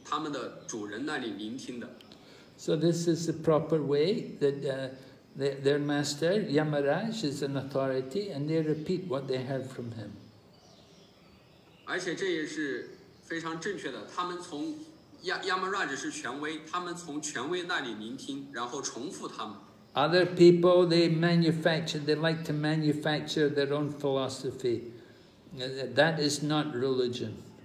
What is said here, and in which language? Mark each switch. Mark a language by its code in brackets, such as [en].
[zh] 他们是从他们的主人那里聆听的。 [en] So this is the proper way that their master Yamaraj is an authority, and they repeat what they heard from him. [zh] 而且这也是非常正确的。他们从Yamaraj是权威，他们从权威那里聆听，然后重复他们。 [en] Other people, they manufacture, they like to manufacture their own philosophy. That is not religion.